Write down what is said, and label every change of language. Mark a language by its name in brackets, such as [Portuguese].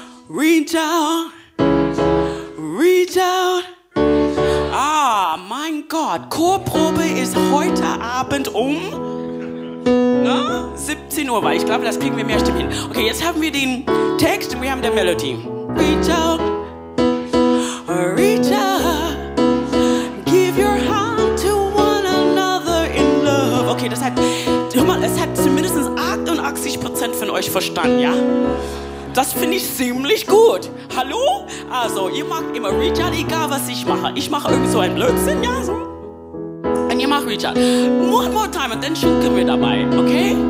[English] Reach out. Reach out. [German] Ah, mein Gott. Chorprobe ist heute Abend um 17 Uhr, weil ich glaube, das kriegen wir mehr Stimmen hin. Okay, jetzt haben wir den Text und wir haben die Melodie. [English] Reach out. Reach out, give your hand to one another in love. [German] Okay, das hat, hör mal, es hat zumindest 88% von euch verstanden, ja? Das finde ich ziemlich gut. Hallo? Also, ihr macht immer [English] reach out, [German] egal was ich mache. Ich mache irgend so einen Blödsinn, ja? So. Und ihr macht [English] reach out. One more time [German] und dann schunkeln wir dabei, okay?